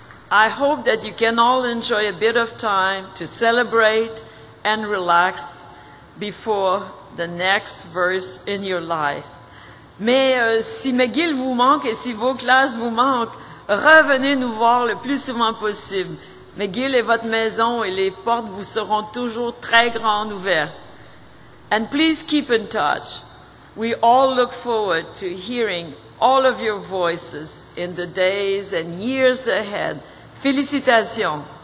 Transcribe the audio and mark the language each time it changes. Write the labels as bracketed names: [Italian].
[English] I hope that you can all enjoy a bit of time to celebrate and relax before the next verse in your life. [French] Mais si McGill vous manque et si vos classes vous manquent, revenez nous voir le plus souvent possible. McGill est votre maison et les portes vous seront toujours très grandes ouvertes. [English] And please keep in touch. We all look forward to hearing all of your voices in the days and years ahead. [French] Félicitations.